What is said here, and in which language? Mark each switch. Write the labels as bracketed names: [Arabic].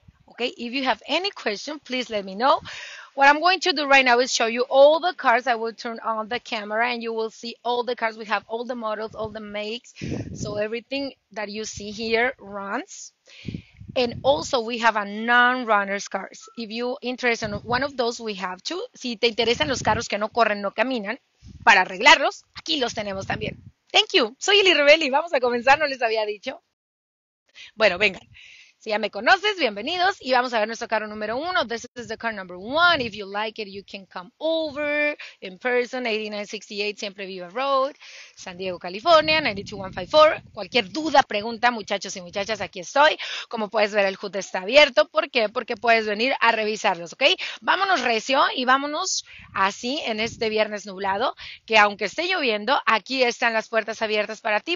[English] Okay, if you have any question, please let me know. What I'm going to do right now is show you all the cars. I will turn on the camera and you will see all the cars. We have all the models, all the makes. So everything that you see here runs. And also we have a non-runners cars. If you interested in one of those, we have two. [Spanish] Si te interesan los carros que no corren, no caminan, para arreglarlos, aquí los tenemos también. [English] Thank you. [Spanish] Soy Eli Rebelli. Vamos a comenzar. No les había dicho. Bueno, vengan. Si ya me conoces, bienvenidos. Y vamos a ver nuestro carro número uno. [English] This is the car number one. If you like it, you can come over in person. 8968 Siempre Viva Road, San Diego, California, 92154. [Spanish] Cualquier duda, pregunta, muchachos y muchachas, aquí estoy. Como puedes ver, el hood está abierto. ¿Por qué? Porque puedes venir a revisarlos, ¿ok? Vámonos recio y vámonos así en este viernes nublado, que aunque esté lloviendo, aquí están las puertas abiertas para ti.